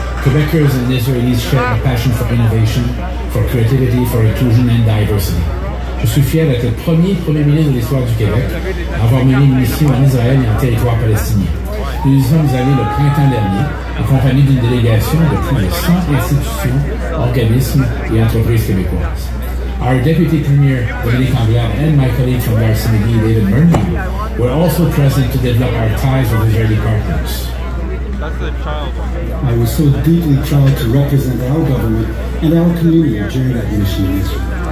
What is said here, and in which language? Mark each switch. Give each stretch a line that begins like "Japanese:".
English: Quebecers and Israelis share a passion for innovation, for creativity, for inclusion and diversity.
French: Je suis fier d'être le premier ministre de l'histoire du Québec à avoir mené une mission en Israël et en territoire palestinien. Nous y sommes allés le printemps dernier, accompagné d'une délégation de plus de 100 institutions, organismes et entreprises québécoises.
English: Our Deputy Premier, Dominique Anglade, and my colleague from RCMP, David Murphy, were also present to develop our ties with Israeli partners. I was so deeply proud to represent our government and our community during that mission in Israel.